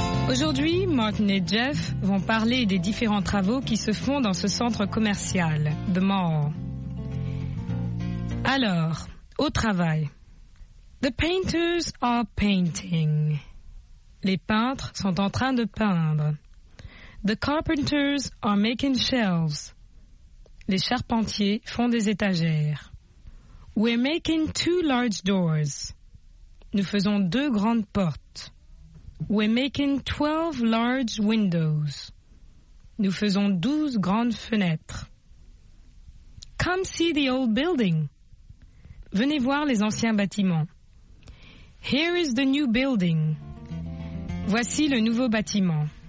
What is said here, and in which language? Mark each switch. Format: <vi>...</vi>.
<fr>Aujourd'hui, Martin et Jeff vont parler des différents travaux qui se font dans ce centre commercial, The Mall. Alors, au travail.</fr> <en>The painters are painting.</en> <fr>Les peintres sont en train de peindre.</fr> <en>The carpenters are making shelves.</en> <fr>Les charpentiers font des étagères.</fr> <en>We're making two large doors.</en> <fr>Nous faisons deux grandes portes.</fr> <en>We're making 12 large windows.</en> <fr>Nous faisons 12 grandes fenêtres.</fr> <en>Come see the old building.</en> <fr>Venez voir les anciens bâtiments.</fr> <en>Here is the new building.</en> <fr>Voici le nouveau bâtiment.</fr>